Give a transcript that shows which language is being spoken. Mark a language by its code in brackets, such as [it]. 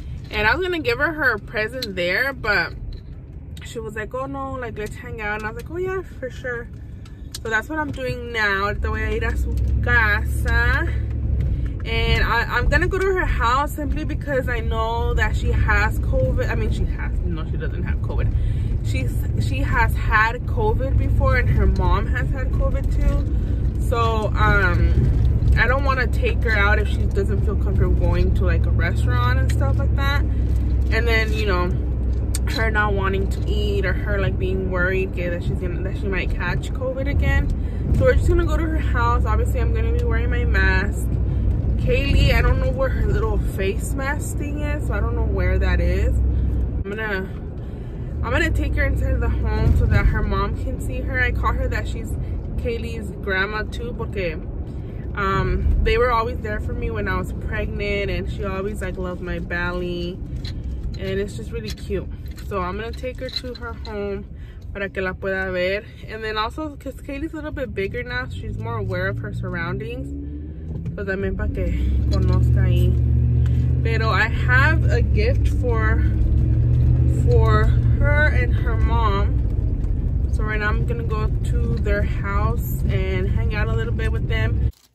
[en] And I was gonna give her a present there, but she was like, oh no, like let's hang out. And I was like, oh yeah, for sure. So that's what I'm doing now. [es] Ahorita voy a ir a su casa. [en] And I'm gonna go to her house simply because I know that she has COVID. She doesn't have COVID. She has had COVID before, and her mom has had COVID too. So I don't want to take her out if she doesn't feel comfortable going to like a restaurant and stuff like that. And then, you know, her not wanting to eat or her like being worried that she might catch COVID again. So we're just gonna go to her house. Obviously, I'm gonna be wearing my mask. Kaylee, I don't know where her little face mask thing is, so I don't know where that is. I'm gonna take her inside the home so that her mom can see her. I call her that she's Kaylee's grandma too, porque they were always there for me when I was pregnant, and she always like loved my belly, and it's just really cute. So I'm gonna take her to her home [es] para que la pueda ver. [en] And then also because Kaylee's a little bit bigger now, so she's more aware of her surroundings. [es] So también para que conozca ahí. [en] Pero I have a gift for her and her mom. So right now I'm gonna go to their house and hang out a little bit with them.